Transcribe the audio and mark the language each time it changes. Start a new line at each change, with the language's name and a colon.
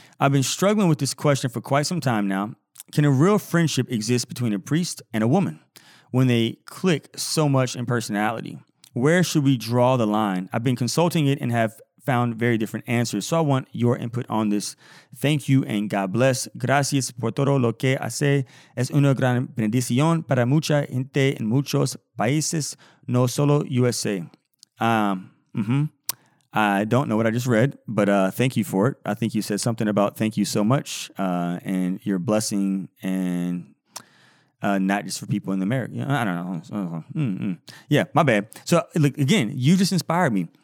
English: I've been struggling with this question for quite some time now. Can a real friendship exist between a priest and a woman when they click so much in personality? Where should we draw the line? I've been consulting it and have found very different answers. So I want your input on this. Thank you and God bless.
Spanish: Gracias por todo lo que hace. Es una gran bendición para mucha gente en muchos países, no solo USA.
English: I don't know what I just read, but thank you for it. I think you said something about thank you so much and your blessing and not just for people in America. I don't know. Yeah, my bad. So, look, again, you just inspired me.